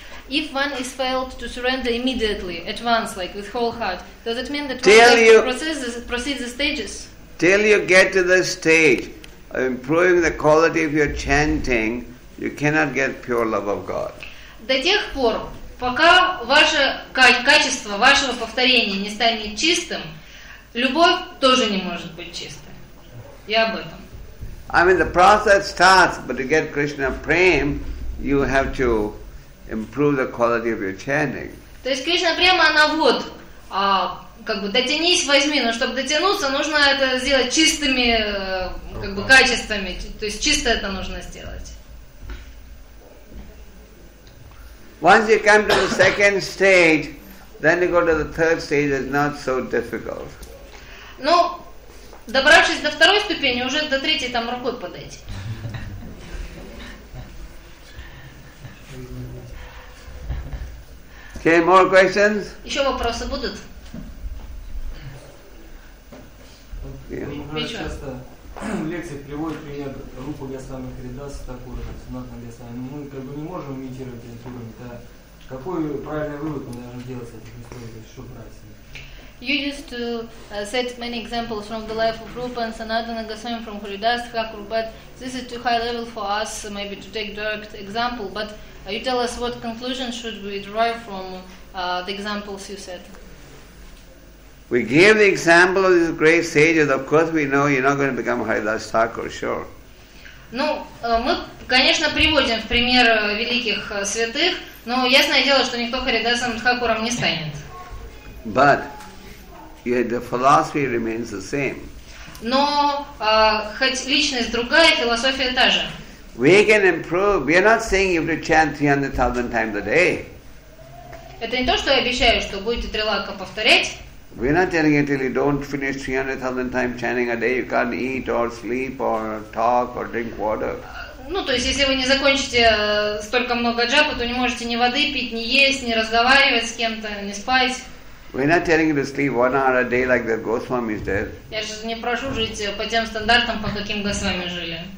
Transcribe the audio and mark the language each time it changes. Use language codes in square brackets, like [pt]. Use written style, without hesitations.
[en] If one is failed to surrender immediately, advance like with whole heart, does it mean that till one has to proceed the stages? Till you get to the stage of improving the quality of your chanting, you cannot get pure love of God. [ru] До тех пор. Пока ваше качество вашего повторения не станет чистым, любовь тоже не может быть чистой. Я об этом. [en] I mean the process starts, but to get Krishna Prem, you have to improve the quality of your chanting. [ru] То есть Кришна Према, она вот, как бы дотянись, возьми, но чтобы дотянуться, нужно это сделать чистыми, как бы качествами. То есть чисто это нужно сделать. [en] Once you come to the second stage, then you go to the third stage. It's not so difficult. [ru] Ну, добравшись до второй ступени, уже до третьей там рукой подойти. [en] Okay, more questions? [ru] Еще вопросы будут? В лекции приводит пример Рупа Гасвами Харидаса такой, Сунатана Гасвами. Мы как бы не можем имитировать этот уровень. Да? Какой правильный вывод мы должны делать с этих историй? То есть, что правильно? [en] You used to set many examples from the life of Rupa and Sanatana Goswami from Haridasa Thakur, but this is too high level for us maybe to take direct example. But you tell us what conclusion should we derive from the examples you set? We gave the example of these great sages. Of course, we know you're not going to become Haridasa Thakur, sure. [ru] Ну, мы, конечно, приводим в пример великих святых, но ясное дело, что никто Харидасом Тхакуром не станет. [en] But the philosophy remains the same. [ru] Но хоть личность другая, философия та же. [en] We can improve. We are not saying you have to chant 300,000 times a day. [ru] Это не то, что я обещаю, что будете трилака повторять. [en] We're not telling you till you don't finish 300,000 times chanting a day, you can't eat or sleep or talk or drink water. [ru] Ну, то есть, если вы не закончите столько много джапы, то не можете ни воды пить, ни есть, ни разговаривать с кем-то, ни спать. [en] We're not telling you to sleep 1 hour a day like the Goswami's did. [ru] Я же не прошу жить по тем стандартам, по каким Госвами жили.